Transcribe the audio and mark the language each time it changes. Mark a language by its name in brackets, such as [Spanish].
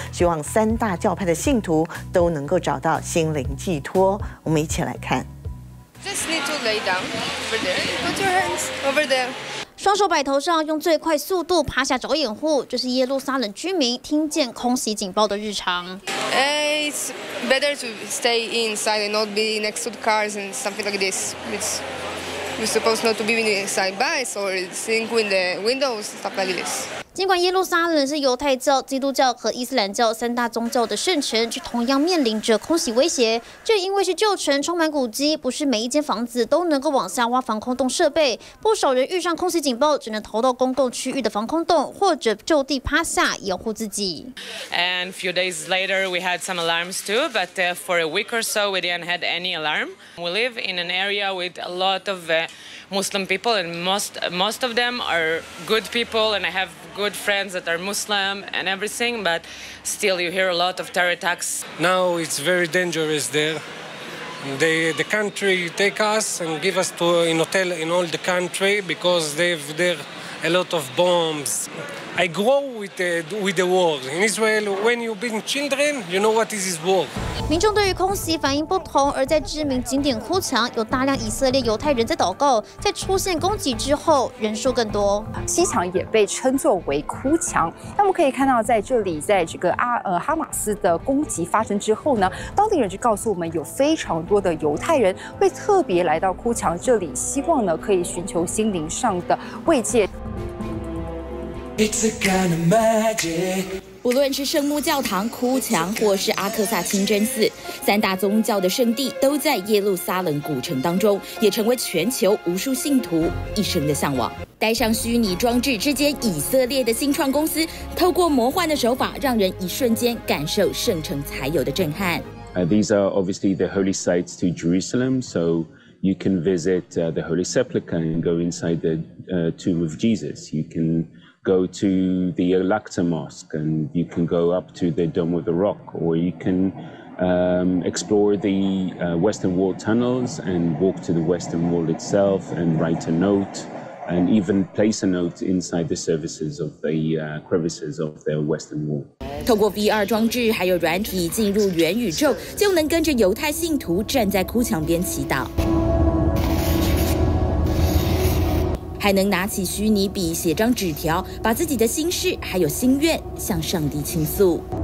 [Chinese] 希望三大教派的信徒都能够找到心灵寄托。我们一起来看。 [English] Just need to lay down over there. Put your hands over there. [Chinese] 双手摆头上，用最快速度爬下着眼户，这是耶路撒冷居民听见空袭警报的日常。 [English] It's better to stay inside and not be next to the cars and something like this. We're supposed not to be inside bus or seeing in the windows stuff like this. [Chinese] 尽管耶路撒冷是犹太教、基督教和伊斯兰教三大宗教的圣城，却同样面临着空袭威胁。这因为是旧城，充满古迹，不是每一间房子都能够往下挖防空洞设备。不少人遇上空袭警报，只能逃到公共区域的防空洞，或者就地趴下掩护自己。 [English] And a few days later, we had some alarms too, but for a week or so, we didn't have any alarm. We live in an area with a lot of Muslim people, and most of them are good people, and I have. Good friends that are Muslim and everything, but still you hear a lot of terror attacks. Now it's very dangerous there. The country take us and give us to an hotel in all the country because they've there a lot of bombs. I grow with the war. In Israel, when you've been children, you know what is this war. [Chinese] 民众对于空袭反应不同，而在知名景点哭墙，有大量以色列犹太人在祷告。在出现攻击之后，人数更多。西墙也被称作为哭墙。那我们可以看到，在这里，在这个哈马斯的攻击发生之后呢，当地人就告诉我们，有非常多的犹太人会特别来到哭墙这里，希望呢可以寻求心灵上的慰藉。 [English] It's a kind of magic. [Chinese] 无论是圣墓教堂、哭墙，或是阿克萨清真寺，三大宗教的圣地都在耶路撒冷古城当中，也成为全球无数信徒一生的向往。戴上虚拟装置之间，以色列的新创公司透过魔幻的手法，让人一瞬间感受圣城才有的震撼。 [English] These are obviously the holy sites to Jerusalem, so you can visit the Holy Sepulchre and go inside the tomb of Jesus. You can. Go to the Al-Aqsa Mosque, and you can go up to the Dome of the Rock, or you can explore the Western Wall tunnels and walk to the Western Wall itself and write a note and even place a note inside the services of the crevices of the Western Wall. [Chinese] 透过 VR 装置还有软体进入元宇宙，就能跟着犹太信徒站在哭墙边祈祷，还能拿起虚拟笔写张纸条，把自己的心事还有心愿向上帝倾诉。